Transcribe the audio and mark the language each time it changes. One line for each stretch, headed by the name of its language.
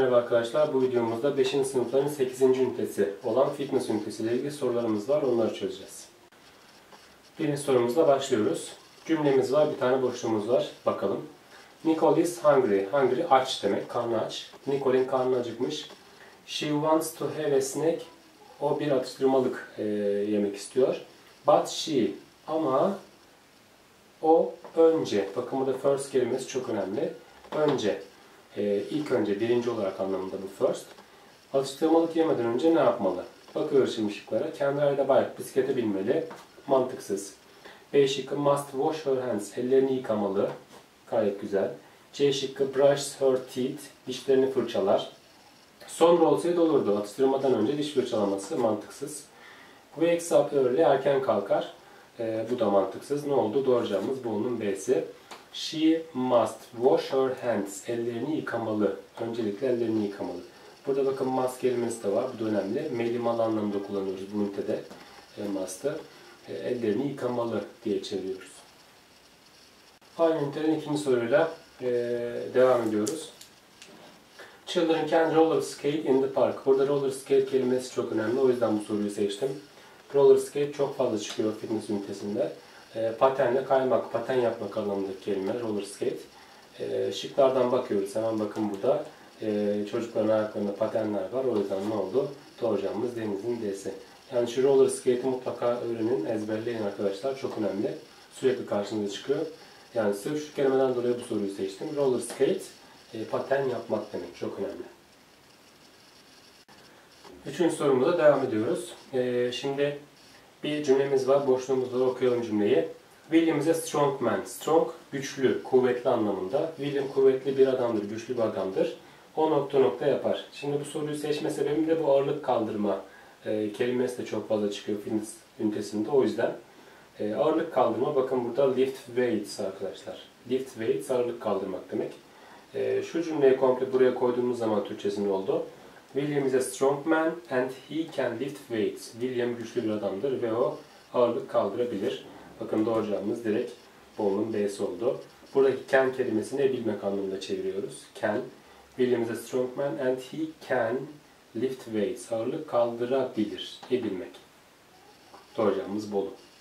Turkish: arkadaşlar, bu videomuzda 5. sınıfların 8. ünitesi olan fitness ünitesiyle ilgili sorularımız var, onları çözeceğiz. Birinci sorumuzla başlıyoruz. Cümlemiz var, bir tane boşluğumuz var. Bakalım.
English: Nicole is hungry.
Turkish: Hungry aç demek, karnı aç. Nicole'in karnı acıkmış.
English: She wants to have a snack.
Turkish: O bir atıştırmalık yemek istiyor.
English: But she,
Turkish: ama o önce. Bakın burada first kelimesi çok önemli. Önce. İlk önce, birinci olarak anlamında bu first. Atıştırmalık yemeden önce ne yapmalı? Bakıyoruz şimdi şıklara. Kendi halinde bayağı bisiklete binmeli. Mantıksız. B şıkkı
English: must wash her hands.
Turkish: Ellerini yıkamalı. Gayet güzel. C şıkkı
English: brush her teeth.
Turkish: Dişlerini fırçalar. Sonra olsaydı olurdu. Atıştırmadan önce diş fırçalaması mantıksız.
English: Wakes up early.
Turkish: Erken kalkar. Bu da mantıksız. Ne oldu? Doğru cevabımız bu, onun B'si.
English: She must wash her hands.
Turkish: Ellerini yıkamalı. Öncelikle ellerini yıkamalı. Burada bakın must kelimesi de var. Bu da önemli. Melimal anlamında kullanıyoruz bu ünitede. Must'ı. Ellerini yıkamalı diye çeviriyoruz. Aynı ünitenin ikinci soruyla devam ediyoruz.
English: Children can roller skate in the park.
Turkish: Burada roller skate kelimesi çok önemli. O yüzden bu soruyu seçtim. Roller skate çok fazla çıkıyor fitness ünitesinde. Patenle kaymak, paten yapmak anlamındaki kelime roller skate. Şıklardan bakıyoruz. Hemen bakın burada. Çocukların ayaklarında patenler var. O yüzden ne oldu? Doğacağımız Deniz'in D'si. Yani şu roller skate'i mutlaka öğrenin, ezberleyin arkadaşlar. Çok önemli. Sürekli karşınıza çıkıyor. Yani sırf şu kelimeden dolayı bu soruyu seçtim. Roller skate, paten yapmak demek. Çok önemli. Üçüncü sorumuza devam ediyoruz. Şimdi bir cümlemiz var. Boşluğumuzda okuyalım cümleyi.
English: William is a strong man.
Turkish: Strong, güçlü, kuvvetli anlamında. William kuvvetli bir adamdır, güçlü bir adamdır. O nokta nokta yapar. Şimdi bu soruyu seçme sebebim de bu ağırlık kaldırma kelimesi de çok fazla çıkıyor fitness ünitesinde. O yüzden ağırlık kaldırma, bakın burada lift weights arkadaşlar. Lift weights ağırlık kaldırmak demek. Şu cümleyi komple buraya koyduğumuz zaman Türkçesinde oldu.
English: William is a strong man and he can lift weights.
Turkish: William güçlü bir adamdır ve o ağırlık kaldırabilir. Bakın doğru cevabımız direkt bunun B'si oldu. Buradaki can kelimesini bilmek anlamında çeviriyoruz. Can.
English: William is a strong man and he can lift weights.
Turkish: Ağırlık kaldırabilir. Ebilmek. Doğru cevabımız bu.